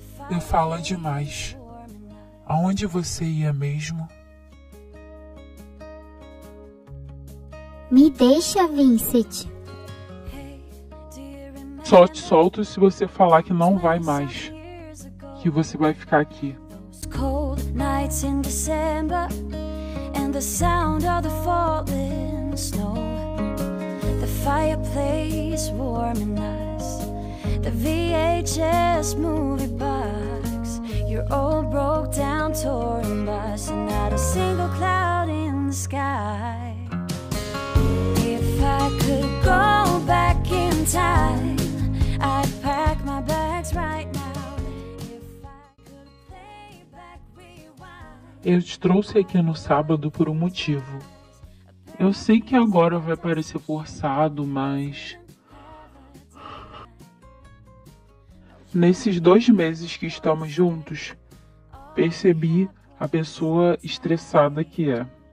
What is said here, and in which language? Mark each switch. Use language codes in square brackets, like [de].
[pt] Você fala demais. Aonde você ia mesmo? Me deixa, Vincent. Só te solto se você falar que não vai mais. Que você vai ficar aqui. [en] Cold nights in December and the sound of the falling snow. The fireplace warming us. The VHS movie box. Your old broke down touring bus. And not a single cloud in the sky. If I could go back in time, I'd pack my bags right now. If I could play back, rewind. [pt] Eu te trouxe aqui no sábado por um motivo. Eu sei que agora vai parecer forçado, mas... nesses 2 meses que estamos juntos, percebi a pessoa estressada que é.